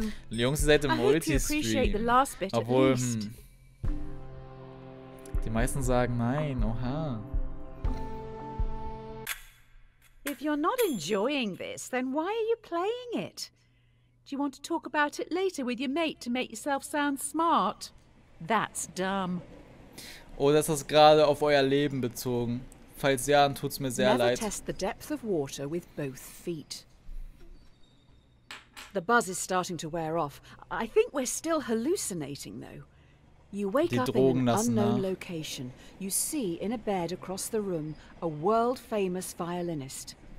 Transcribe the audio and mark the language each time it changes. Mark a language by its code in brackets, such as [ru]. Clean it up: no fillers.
[de] Jungs, ihr seid im Multistream. Obwohl, die meisten sagen nein, oha. [en] If you're not enjoying this, then why are you playing it? Do you want to talk about it later with your mate to make yourself sound smart? That's dumb. [de] Oder ist das gerade auf euer Leben bezogen? Falls ja, dann tut's mir sehr leid. [en] Never test the depth of water with both feet. The buzz is starting to wear off. I think we're still hallucinating, though. You wake up in an unknown location. You see in a bed across the room a world-famous violinist.